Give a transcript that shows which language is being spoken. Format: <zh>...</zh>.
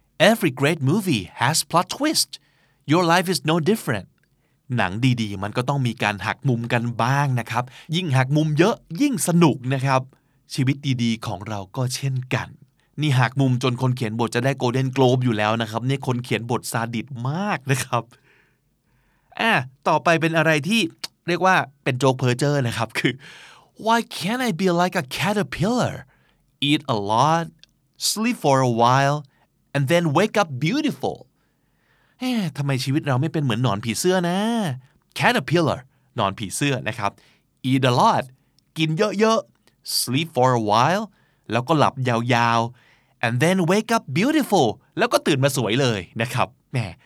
<en>every great movie has plot twist your life is no different</en> <th>หนังดีๆมันก็ต้องมีการหักมุมกันบ้างนะครับยิ่งหักมุมเยอะยิ่งสนุกนะครับชีวิตดีๆของเราก็เช่นกันนี่หักมุมจนคนเขียนบทจะได้โกลเด้นโกลบอยู่แล้วนะครับนี่คนเขียนบทซาดิสมากนะครับต่อไปเป็นอะไรที่เรียกว่าเป็นโจ๊กเพ้อเจ้อนะครับคือ</th> <en>Why can't I be like a caterpillar? Eat a lot, sleep for a while, and then wake up beautiful.</en> <th>ทำไมชีวิตเราไม่เป็นเหมือนหนอนผีเสื้อนะ Caterpillar, หนอนผีเสื้อนะครับ</th> <en>Eat a lot,</en> <th>กินเยอะๆ</th> <en>Sleep for a while,</en> <th>แล้วก็หลับยาวๆ</th> <en>And then wake up beautiful,</en> <th>แล้วก็ตื่นมาสวยเลยนะครับแหม</th>